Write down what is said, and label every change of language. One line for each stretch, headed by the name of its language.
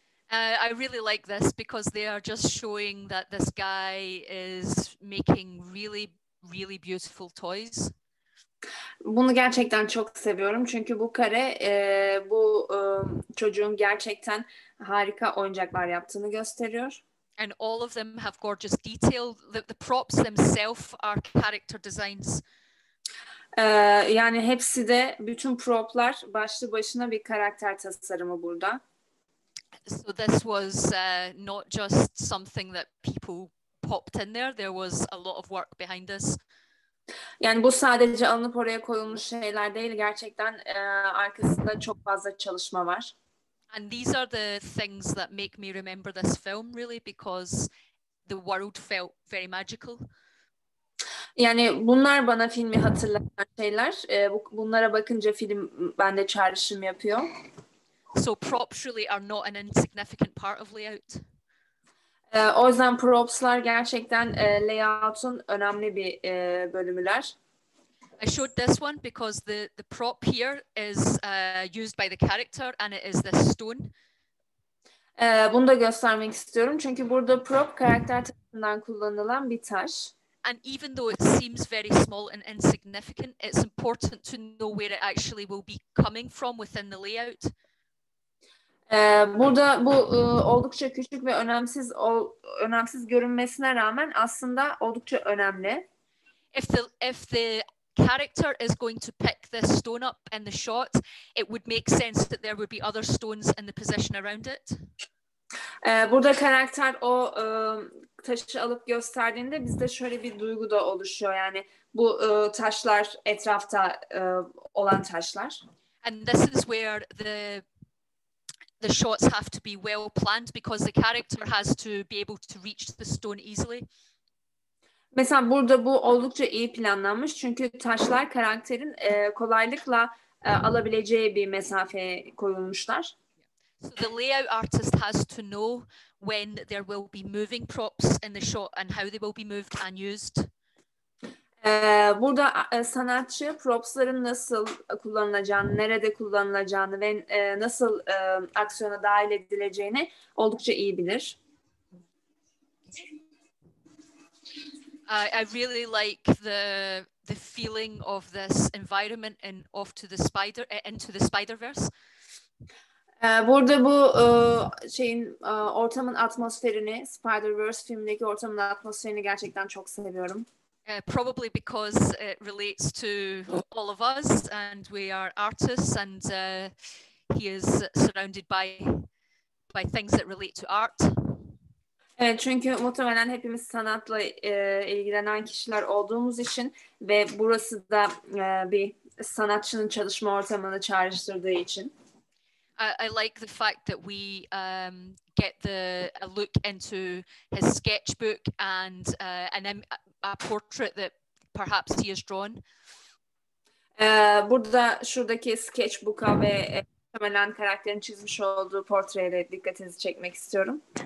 English: I really like this because they are just showing that this guy is making really, really beautiful toys.
Turkish: Bunu gerçekten çok seviyorum çünkü bu kare bu çocuğun gerçekten harika oyuncaklar yaptığını gösteriyor.
English: And all of them have gorgeous detail. The props themselves are character designs.
Turkish: Yani hepsi de, bütün proplar başlı başına bir karakter tasarımı burada.
English: So this was not just something that people popped in there. There was a lot of work behind this.
Turkish: Yani bu sadece alınıp oraya koyulmuş şeyler değil. Gerçekten arkasında çok fazla çalışma var.
English: And these are the things that make me remember this film really, because the world felt very magical.
Turkish: Yani bunlar bana filmi hatırlatan şeyler. Bunlara bakınca film bende çağrışım yapıyor.
English: So props really are not an insignificant part of layout.
Turkish: O yüzden propslar gerçekten layout'un önemli bir bölümüler.
English: I showed this one because the prop here is used by the character and it is this stone.
Turkish: Bunu da göstermek istiyorum çünkü burada prop karakter tarafından kullanılan bir taş.
English: And even though it seems very small and insignificant, it's important to know where it actually will be coming from within the layout.
Turkish: Burada bu oldukça küçük ve önemsiz görünmesine rağmen aslında oldukça önemli.
English: If the character is going to pick this stone up in the shot, it would make sense that there would be other stones in the position around it.
Turkish: Burada karakter o taşı alıp gösterdiğinde bizde şöyle bir duygu da oluşuyor. Yani bu taşlar etrafta olan taşlar.
English: And this is where the shots have to be well planned because the character has to be able to reach the stone easily.
Turkish: Mesela burada bu oldukça iyi planlanmış çünkü taşlar karakterin kolaylıkla alabileceği bir mesafeye koyulmuşlar.
English: So the layout artist has to know when there will be moving props in the shot and how they will be moved and used.
Turkish: Burada sanatçı propsların nasıl kullanılacağını, nerede kullanılacağını ve nasıl aksiyona dahil edileceğini oldukça iyi bilir.
English: I really like the feeling of this environment and off to the spider into the Spider-Verse.
Turkish: Burada bu şeyin ortamın atmosferini, Spider-Verse filmindeki ortamın atmosferini gerçekten çok seviyorum.
English: Probably because it relates to all of us and we are artists and he is surrounded by things that relate to art.
Turkish: Evet, çünkü muhtemelen hepimiz sanatla ilgilenen kişiler olduğumuz için ve burası da bir sanatçının çalışma ortamını çağrıştırdığı için.
English: I like the fact that we get a look into his sketchbook and a portrait that perhaps he has drawn.
Turkish: Burada şuradaki sketchbook'a ve muhtemelen karakterin çizmiş olduğu portreye de dikkatinizi çekmek istiyorum.